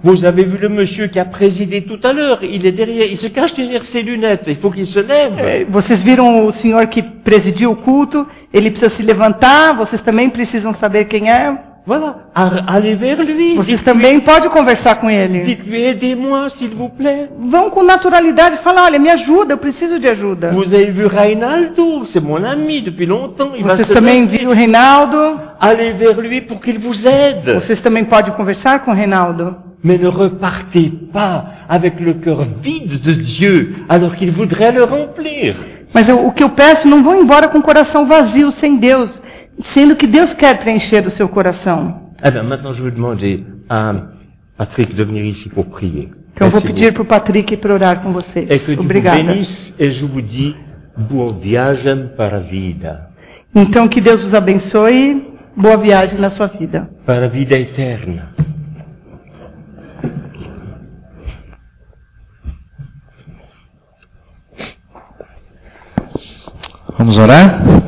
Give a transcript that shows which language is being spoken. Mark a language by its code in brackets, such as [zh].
[fr] Vous avez vu le monsieur qui a présidé tout à l'heure? Il est derrière, il se cache derrière ses lunettes, il faut qu'il se lève. [pt] Vocês viram o senhor que presidiu o culto? Ele precisa se levantar, vocês também precisam saber quem é. [fr] Voilà, allez vers lui. [pt] Vocês também podem conversar com ele. [fr] Dites-lui, aidez-moi, s'il vous plaît. [pt] Vão com naturalidade, fala, olha, me ajuda, eu preciso de ajuda. [fr] Vous avez vu Reinaldo, c'est mon ami depuis longtemps. [pt] Vocês também viram o Reinaldo. [fr] Allez vers lui pour qu'il vous aide. [pt] Vocês também podem conversar com o Reinaldo. [fr] Mais ne repartez pas avec le cœur vide de Dieu, alors qu'il voudrait le remplir. [pt] Mas o que eu peço, não vão embora com o coração vazio, sem Deus. Sendo que Deus quer preencher o seu coração. [fr] Maintenant je vais demander à Patrick de venir ici pour prier. [pt] Então vou pedir para o Patrick para orar com vocês. [fr] Et que [pt] obrigada. [fr] Dieu vous bénisse et je vous dis bon [pt] viaje para a vida. Então que Deus os abençoe, boa viagem na sua vida. Para a vida eterna. Vamos orar?